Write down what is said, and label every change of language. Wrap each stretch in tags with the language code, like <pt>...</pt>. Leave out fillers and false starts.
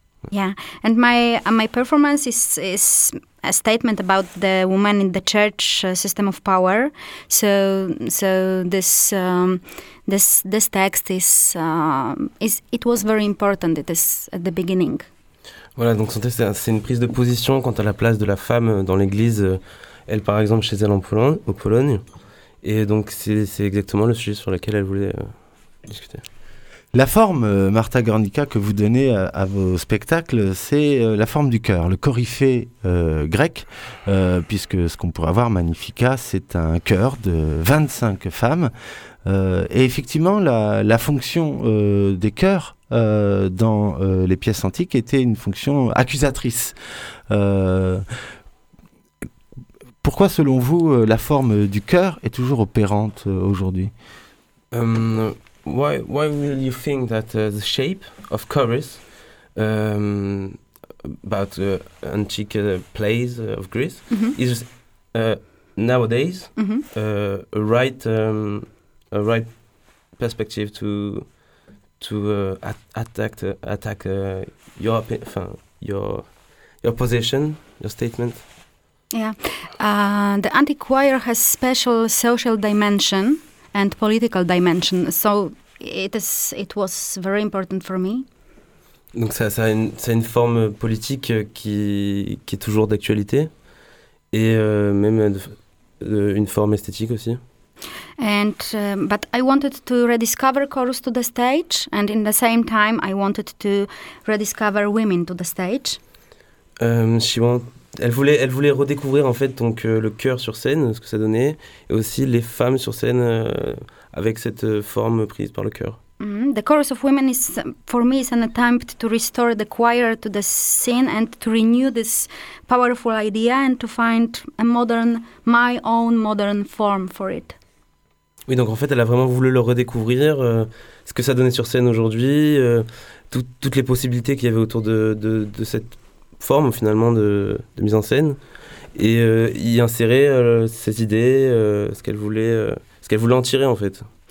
<en>Yeah, and my performance is a statement about the woman in the church system of power. So this text is it was very important. It is at the beginning.</en> <fr>Voilà, donc son texte, c'est une prise de position quant à la place de la femme dans l'Église. Elle, par exemple, chez elle en Pologne, et donc c'est exactement le sujet sur lequel elle voulait discuter. La forme, Marta Guernica, que vous donnez à vos spectacles, c'est la forme du chœur, le coryphée grec, puisque ce qu'on pourrait avoir, Magnifica, c'est un chœur de 25 femmes. Et effectivement, la fonction des chœurs dans les pièces antiques était une fonction accusatrice. Pourquoi, selon vous, la forme du chœur est toujours opérante aujourd'hui?</fr> <en>Why will you think that the shape of chorus about antique plays of Greece is nowadays a right perspective to attack your position, your statement? Yeah, the antique choir has special social dimension and political dimension, so it was very important for me.</en> <fr>Donc ça a une forme politique qui est toujours d'actualité, et même une forme esthétique aussi.</fr> <en>And but I wanted to rediscover chorus to the stage, and in the same time I wanted to rediscover women to the stage.</en> <fr>Elle voulait redécouvrir en fait donc le chœur sur scène, ce que ça donnait, et aussi les femmes sur scène avec cette forme prise par le chœur.</fr> <en>The chorus of women is for me is an attempt to restore the choir to the scene and to renew this powerful idea and to find a modern, my own modern form for it.</en> <fr>Oui, donc en fait, elle a vraiment voulu le redécouvrir, ce que ça donnait sur scène aujourd'hui, toutes les possibilités qu'il y avait autour de cette forme finalement de mise en scène, et y insérer ses idées, ce qu'elle voulait en tirer en fait.</fr>